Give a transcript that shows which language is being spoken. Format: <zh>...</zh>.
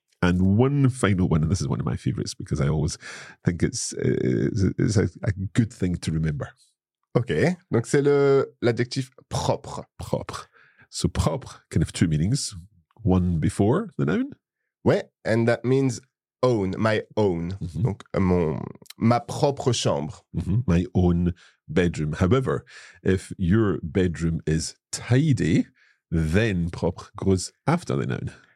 <en>And one final one, and this is one of my favorites because I always think it's a good thing to remember.</en> <fr>Okay, donc c'est l'adjectif propre. Propre.</fr> <en>So propre can have two meanings. One before the noun.</en> <fr>Ouais,</fr> <en>and that means own, my own.</en> <fr>Mm-hmm. Donc ma propre chambre.</fr> <en>Mm-hmm. My own bedroom. However, if your bedroom is tidy, then propre goes after the noun.</en>